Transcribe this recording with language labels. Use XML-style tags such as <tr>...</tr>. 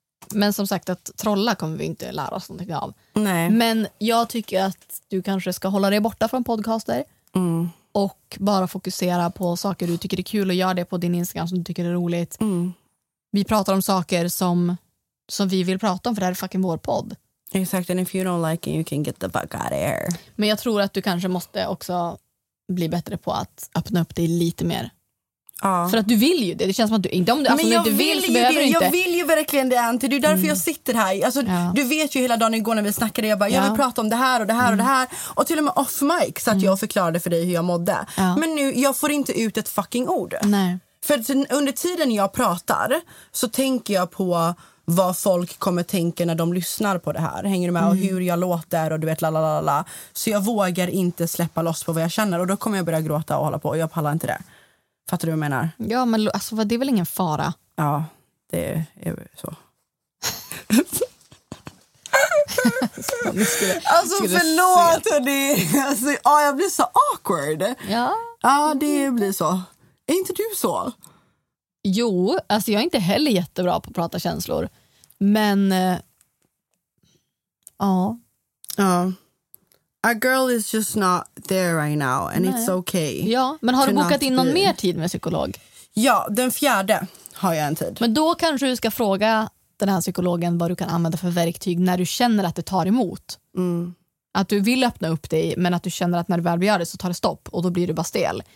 <sv>Men som sagt, att trolla kommer vi inte lära oss någonting av. Nej. Men jag tycker att du kanske ska hålla dig borta från podcaster. Mm. Och bara fokusera på saker du tycker är kul och gör det på din Instagram som du tycker är roligt. Mm. Vi pratar om saker som vi vill prata om, för det här är fucking vår podd.</sv> <en>Exactly, and if you don't like it, you can get the fuck out of here.</en> <sv>Men jag tror att du kanske måste också bli bättre på att öppna upp dig lite mer. Ja. För att du vill ju det. Det känns som att du inte, alltså, men jag du vill ju det. Inte. Jag vill ju verkligen det, Ante. Det är därför jag sitter här. Alltså, du vet ju hela dagen igår när vi snackade, jag bara, jag vill prata om det här och det här och det här. Och till och med off mic så att jag förklarade för dig hur jag mådde. Ja. Men nu, jag får inte ut ett fucking ord. Nej. För under tiden jag pratar så tänker jag på vad folk kommer tänka när de lyssnar på det här. Hänger du med? Mm. Och hur jag låter och du vet, lalalala. Så jag vågar inte släppa loss på vad jag känner. Och då kommer jag börja gråta och hålla på. Och jag pallar inte det. Fattar du vad jag menar? Ja, men alltså, det är väl ingen fara? Ja, det är så. Alltså förlåt hörni, alltså, oh, jag blir så awkward. Ja, ah, det blir så. Är inte du så? Jo, alltså jag är inte heller jättebra på att prata känslor. Men ja. Ja.</sv> <en>A girl is just not there right now. And nej, it's okay.</en> <sv>Ja, men har du bokat in någon mer tid med psykolog? Ja, den fjärde har jag en tid. Men då kanske du ska fråga den här psykologen vad du kan använda för verktyg när du känner att det tar emot. Mm. Att du vill öppna upp dig, men att du känner att när du väl gör det så tar det stopp och då blir du bara stel.</sv>